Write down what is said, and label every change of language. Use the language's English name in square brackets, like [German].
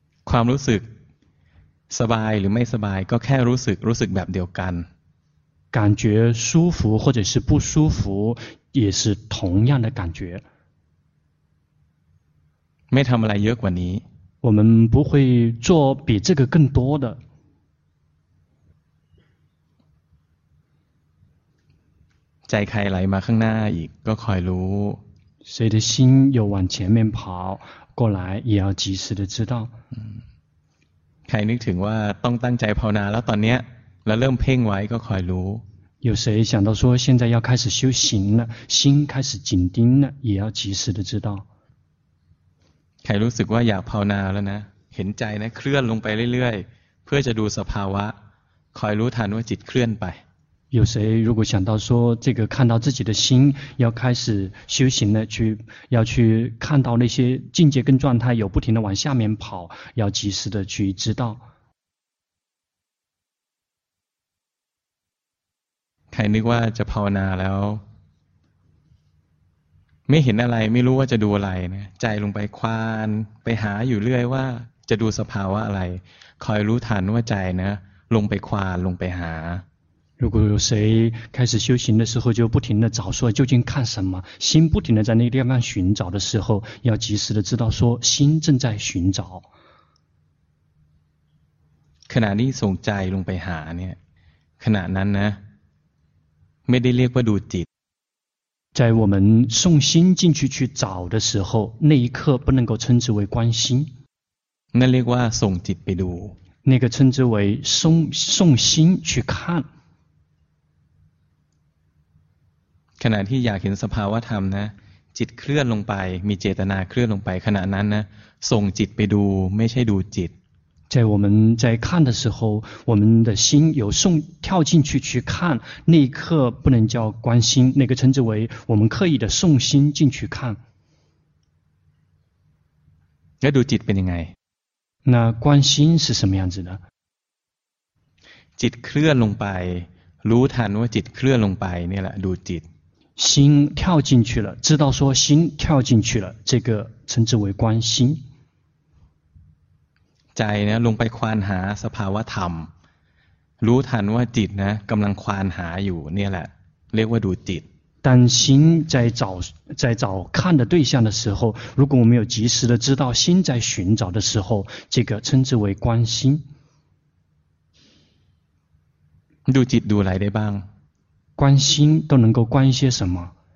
[Thai] ความรู้สึกสบายหรือไม่สบายก็แค่รู้สึกแบบเดียวกัน [Chinese] 感觉舒服或者是不舒服也是同样的感觉 [Thai] ไม่ทำอะไรเยอะกว่านี้ [Chinese] 我们不会做比这个更多的 [Thai] ใจใครไหลมาข้างหน้าอีกก็คอยรู้ [Chinese] 谁的心又往前面跑过来也要及时的知道 [Thai] ใครนึกถึงว่าต้องตั้งใจภาวนาแล้วตอนเนี้ยแล้วเริ่มเพ่งไว้ก็คอยรู้ [Chinese] 有谁想到说现在要开始修行了心开始紧盯了也要及时的知道 [Thai] ใครรู้สึกว่าอยากภาวนาแล้วนะเห็นใจนะเคลื่อนลงไปเรื่อยๆเพื่อจะดูสภาวะคอยรู้ทันว่าจิตเคลื่อนไป [Chinese] 有谁如果想到说这个看到自己的心要开始修行了去要去看到那些境界跟状态有不停的往下面跑要及时的去知道 [Thai] ใครนึกว่าจะภาวนาแล้วไม่เห็นอะไรไม่รู้ว่าจะดูอะไรนะใจลงไปควานไปหาอยู่เรื่อยว่าจะดูสภาวะอะไรคอยรู้ทันว่าใจนะลงไปควานลงไปหา [Chinese] 如果有谁开始修行的时候就不停地找说究竟看什么心不停地在那个地方寻找的时候要及时地知道说心正在寻找 [Thai] ขณะที่ส่งใจลงไปหาเนี่ยขณะนั้นนะไม่ได้เรียกว่าดูจิต [Chinese] 在我们送心进去去找的时候那一刻不能够称之为观心 [Thai] 那เรียกว่าส่งจิตไปดู [Chinese] 那个称之为 送心去看 [Thai] ขณะที่อยากเห็นสภาวะธรรมนะจิตเคลื่อนลงไปมีเจตนาเคลื่อนลงไปขณะนั้นนะส่งจิตไปดูไม่ใช่ดูจิต [Chinese] 在我们在看的时候我们的心有送跳进去去看那一刻不能叫观心那个称之为我们刻意的送心进去看 [Thai] 那ดูจิตเป็นยังไง [Chinese] 那观心是什么样子呢 [Thai] จิตเคลื่อนลงไปรู้ทันว่าจิตเคลื่อนลงไปนี่แหละดูจิต [Chinese] 心跳进去了知道说心跳进去了这个称之为观心 [Thai] ใจนะลงไปควานหาสภาวะธรรมรู้ทันว่าจิตนะกำลังควานหาอยู่เนี่ยแหละเรียกว่าดูจิต [Chinese] 但心在找在找看的对象的时候如果我们有及时的知道心在寻找的时候这个称之为观心 [Thai] ดูจิตดูอะไรได้บ้าง [Chinese] 观心都能够观一些什么